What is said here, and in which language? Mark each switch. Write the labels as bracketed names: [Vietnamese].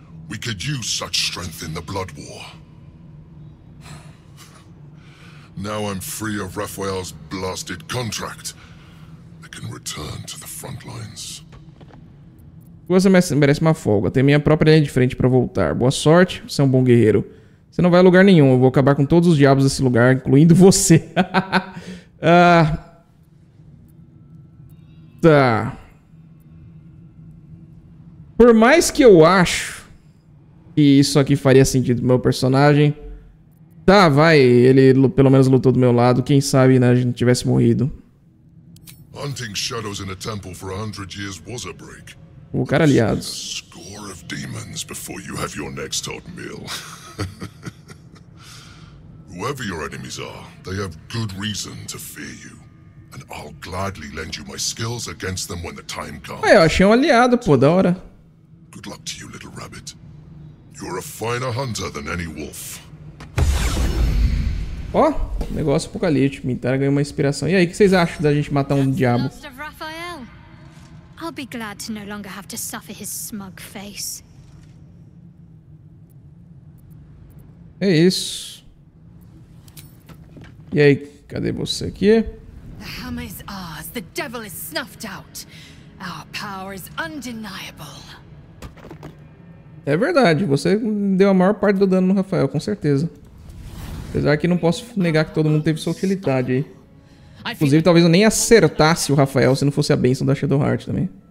[English] We could use such strength in the Blood War. Now I'm free of Raphael's blasted contract. I can return to the front lines. [Portuguese] Você merece uma folga. Tem minha própria linha de frente para voltar. Boa sorte, você é um bom guerreiro. Você não vai a lugar nenhum. Eu vou acabar com todos os diabos desse lugar, incluindo você. Tá. Por mais que eu acho que isso aqui faria sentido pro meu personagem. Tá, vai. Ele pelo menos lutou do meu lado. Quem sabe, né, a gente tivesse morrido. [English] Hunting shadows in a temple for 100 years was a break. [Portuguese] O cara aliado. [English] Score of demons before you have your next hot meal. Whoever your enemies are, they have good reason to fear you. And I'll gladly lend you my skills against them when the time comes. [Portuguese] Eu achei um aliado, pô, da hora. [English] Good luck to you, little rabbit. You're a finer hunter than any wolf. [Portuguese] Ó, oh, negócio apocalíptico. Mintara ganhou uma inspiração. E aí, o que vocês acham da gente matar um diabo? [English] I'll be glad to no longer have to suffer his smug face. [Portuguese] É isso. E aí, cadê você aqui? [English] The hammer is ours. The devil is snuffed out. Our power is undeniable. [Portuguese] É verdade, você deu a maior parte do dano no Rafael, com certeza. Apesar que não posso negar que todo mundo teve sua utilidade aí. Inclusive, talvez eu nem acertasse o Rafael se não fosse a bênção da Shadowheart também.